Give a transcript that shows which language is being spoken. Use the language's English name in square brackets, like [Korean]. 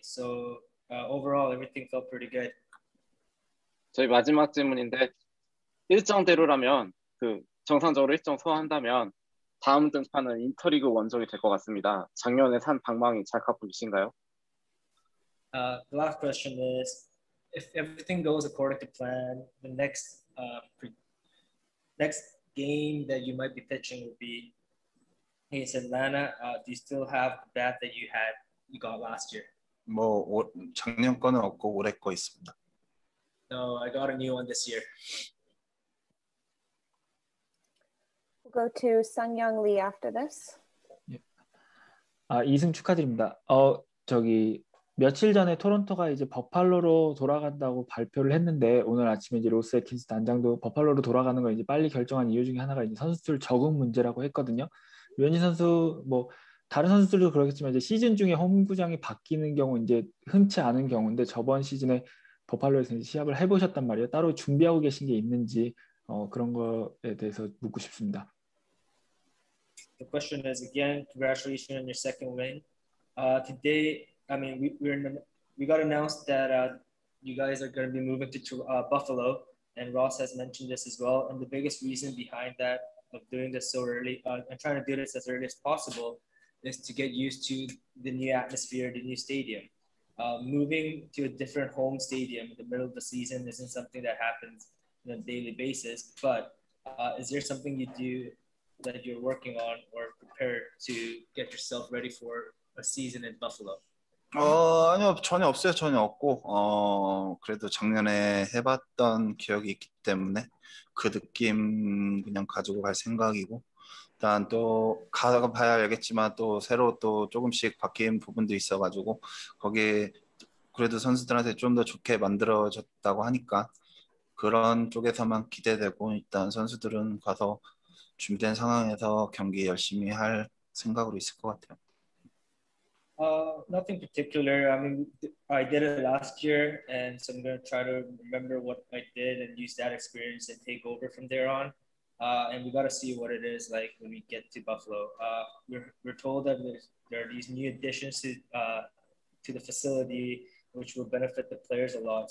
[English] So overall, everything felt pretty good. [Korean] 저희 마지막 질문인데 일정대로라면 그 정상적으로 일정 소화한다면 다음 등판은 인터리그 원정이 될 것 같습니다. 작년에 산 방망이 잘 갖고 계신가요? [English] The last question is, if everything goes according to plan, the next next game that you might be pitching will be against Atlanta. Do you still have the bat that you got last year? [Korean] 뭐 작년 거는 없고 올해 거 있습니다. [English] No, I got a new one this year. We'll go to Sung Young Lee after this. Yeah. [Korean] 2승 축하드립니다. 저기 며칠 전에 토론토가 이제 버팔로로 돌아간다고 발표를 했는데 오늘 아침에 이제 로스 애킨스 단장도 버팔로로 돌아가는 걸 이제 빨리 결정한 이유 중에 하나가 이제 선수들 적응 문제라고 했거든요. 류현진 선수 뭐 다른 선수들도 그렇겠지만 이제 시즌 중에 홈구장이 바뀌는 경우 이제 흔치 않은 경우인데 저번 시즌에 버팔로에서 이제 시합을 해보셨단 말이에요. 따로 준비하고 계신 게 있는지 그런 거에 대해서 묻고 싶습니다. [English] The question is again, congratulations on your second win. Today. I mean, we got announced that you guys are going to be moving to Buffalo, and Ross has mentioned this as well. And the biggest reason behind that of doing this so early, and trying to do this as early as possible, is to get used to the new atmosphere, the new stadium. Moving to a different home stadium in the middle of the season isn't something that happens on a daily basis. But is there something you do that you're working on or prepare to get yourself ready for a season in Buffalo? [Korean] 아니요 전혀 없어요 전혀 없고 그래도 작년에 해봤던 기억이 있기 때문에 그 느낌 그냥 가지고 갈 생각이고 일단 또 가다가 봐야 알겠지만 또 새로 또 조금씩 바뀐 부분도 있어가지고 거기 그래도 선수들한테 좀 더 좋게 만들어졌다고 하니까 그런 쪽에서만 기대되고 일단 선수들은 가서 준비된 상황에서 경기 열심히 할 생각으로 있을 것 같아요. [English] Nothing particular. I mean, I did it last year, and so I'm going to try to remember what I did and use that experience and take over from there on. And we got to see what it is like when we get to Buffalo. We're told that there are these new additions to the facility, which will benefit the players a lot.